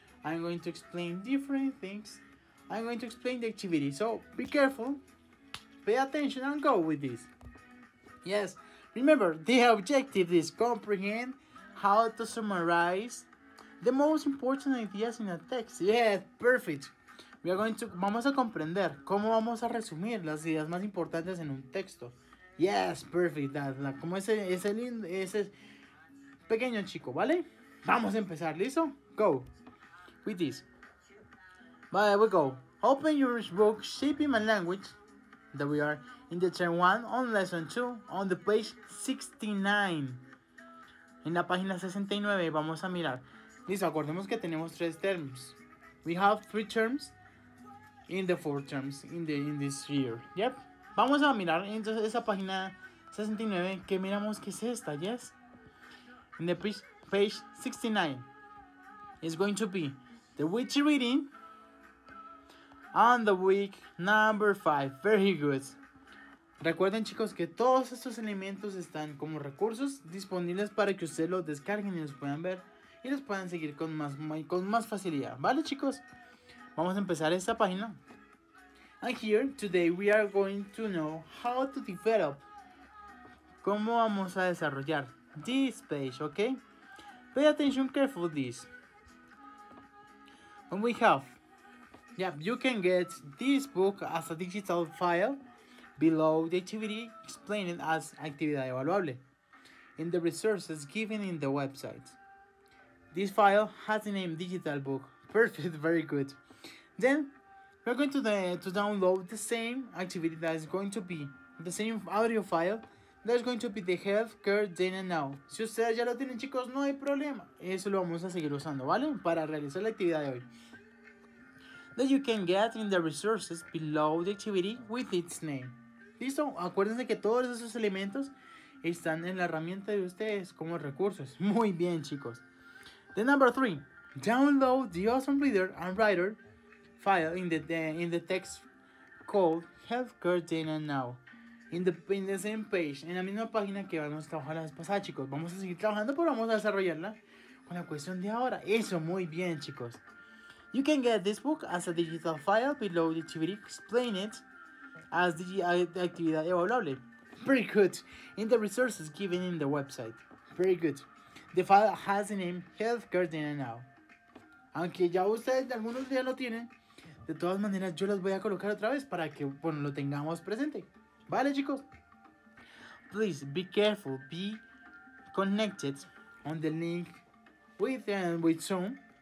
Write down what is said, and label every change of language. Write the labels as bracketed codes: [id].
[en] I'm going to explain different things. I'm going to explain the activity. So, be careful. Pay attention and go with this. Yes, remember, the objective is comprehend how to summarize the most important ideas in a text. Yes, perfect. We are going to, [es] vamos a comprender cómo vamos a resumir las ideas más importantes en un texto. [en] Yes, perfect. [es] Como ese lindo, ese pequeño chico, ¿vale? Vamos a empezar, ¿listo? [en] Go. With this. But here we go. Open your book, Shaping My Language. That we are in the term 1 on lesson 2 on the page 69. [es] En la página 69 vamos a mirar. Listo, acordemos que tenemos tres terms. [en] We have three terms in the four terms in this year. Yep. [es] Vamos a mirar entonces esa página 69 que miramos que es esta, [en] yes? In the page 69. It's going to be the witchy reading. On the week number 5. Very good. [es] Recuerden, chicos, que todos estos elementos están como recursos disponibles para que ustedes los descarguen y los puedan ver y los puedan seguir con más facilidad. ¿Vale, chicos? Vamos a empezar esta página. [en] And here, today, we are going to know how to develop. [es] ¿Cómo vamos a desarrollar [en] this page, ok? Pay attention, careful this. And we have... Yeah, you can get this book as a digital file below the activity explained as [es] actividad evaluable [en] in the resources given in the website. This file has the name digital book. Perfect, very good. Then we're going to download the same activity that is going to be the same audio file that is going to be the healthcare then and now. [es] Si ustedes ya lo tienen, chicos, no hay problema. Eso lo vamos a seguir usando, ¿vale? Para realizar la actividad de hoy. [en] That you can get in the resources below the activity with its name. [es] ¿Listo? Acuérdense que todos esos elementos están en la herramienta de ustedes como recursos. Muy bien, chicos. [en] The number 3. Download the awesome reader and writer file in the text called Healthcare Then and Now. In the same page. [es] En la misma página que vamos a trabajar la vez pasada, chicos. Vamos a seguir trabajando, pero vamos a desarrollarla con la cuestión de ahora. Eso, muy bien, chicos. [en] You can get this book as a digital file below the activity explained as the [es] actividad evaluable. [en] Pretty good. In the resources given in the website. Pretty good. The file has the name Healthcare Then and Now. [es] Aunque ya ustedes algunos ya lo tienen, de todas maneras yo los voy a colocar otra vez para que bueno, lo tengamos presente. ¿Vale, chicos? [en] Please be careful, be connected on the link with Zoom.